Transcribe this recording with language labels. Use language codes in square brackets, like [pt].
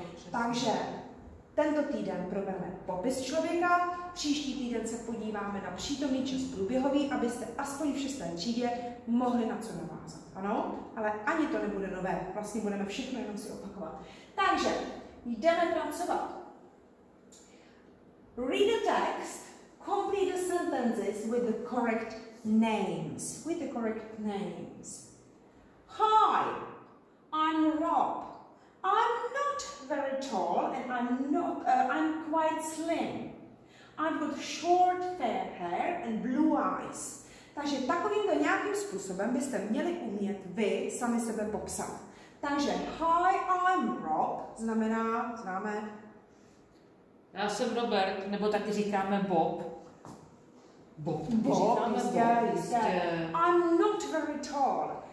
[cs] Takže tento týden probereme popis člověka, příští týden se podíváme na přítomný čas průběhový, abyste aspoň v 6. třídě mohli na co navázat, ano? Ale ani to nebude nové, vlastně budeme všechno jenom si opakovat. Takže jdeme pracovat. [en] Read the text, complete the sentences with the correct names, with the correct names. Hi, I'm Rob. I'm not very tall and I'm quite slim. I've got short fair hair and blue eyes. [cs] Takže takovýmto nějakým způsobem byste měli umět vy sami sebe popsat. Takže [en] hi, I'm Rob, [cs] znamená, známe, Já jsem Robert, nebo taky říkáme Bob. [en] Bob is there, is there. I'm not very tall.